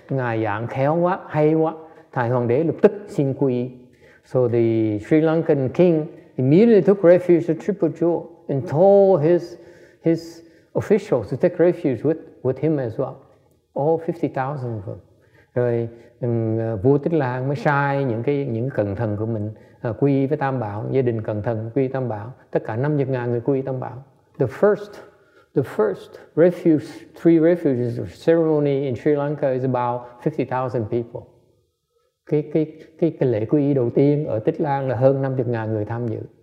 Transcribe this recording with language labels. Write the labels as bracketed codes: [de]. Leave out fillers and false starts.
[vi] Ngài giảng khéo quá, hay quá. Thầy hoàng đế lập tức xin quy. [en] So the Sri Lankan king immediately took refuge at Triple Jewel and told his officials to take refuge with him as well. All 50,000 of them. [vi] Rồi vua Tích Lan mới sai những cận thần của mình quy với Tam Bảo, gia đình cận thần quy Tam Bảo, tất cả 50,000 người quy Tam Bảo. [en] The first refuge, three refuges of ceremony in Sri Lanka is about 50,000 people. [vi] Cái lễ quy y đầu tiên ở Tích Lan là hơn 50,000 người tham dự.